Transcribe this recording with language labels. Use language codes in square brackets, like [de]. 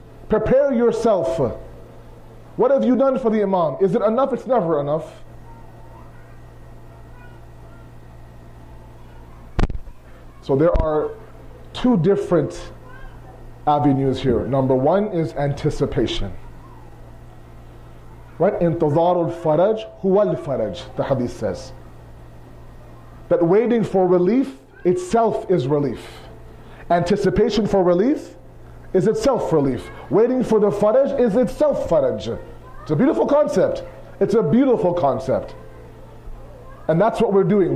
[en] Prepare yourself. What have you done for the Imam? Is it enough? It's never enough. So there are two different avenues here. Number one is anticipation. Right? [ar] انتظار الفرج هو الفرج, [en] the hadith says. That waiting for relief itself is relief. Anticipation for relief is itself relief. Waiting for the faraj is itself faraj. It's a beautiful concept. It's a beautiful concept. And that's what we're doing.